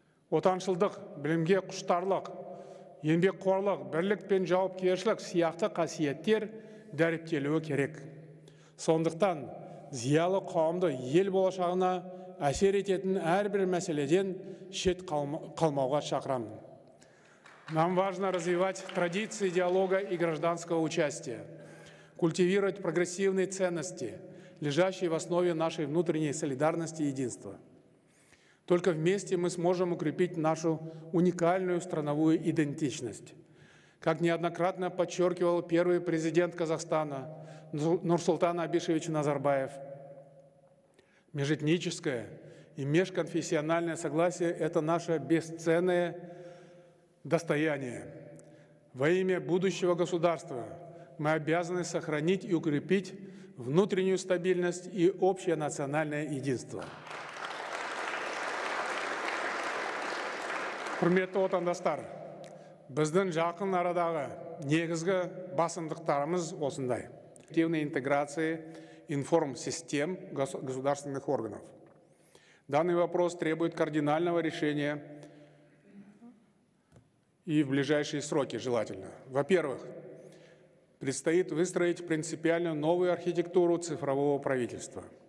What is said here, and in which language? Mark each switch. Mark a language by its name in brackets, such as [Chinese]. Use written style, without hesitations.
[Kazakh] Отаншылдық, білімге құштарлық, еңбекқорлық, бірлік пен жауапкершілік сияқты қасиеттер дәріптелуі керек. Сондықтан зиялы қауымды ел болашағына әсер ететін әрбір мәселеден шет қалмауға шақырамын. [Russian] Нам важно развивать традиции диалога и гражданского участия, культивировать прогрессивные ценности, лежащие в основе нашей внутренней солидарности и единства. Только вместе мы сможем укрепить нашу уникальную страновую идентичность. Как неоднократно подчеркивал первый президент Казахстана Нурсултан Абишевич Назарбаев, межэтническое и межконфессиональное согласие – это наше бесценное достояние. Во имя будущего государства мы обязаны сохранить и укрепить внутреннюю стабильность и общее национальное единство. [Kazakh] Құрметті отандастар, біздің жақын арадағы негізгі басымдықтарымыз осындай. [Russian] Активная интеграция информсистем государственных органов. Данный вопрос требует кардинального решения и в ближайшие сроки желательно. Во-первых, предстоит выстроить принципиально новую архитектуру цифрового правительства.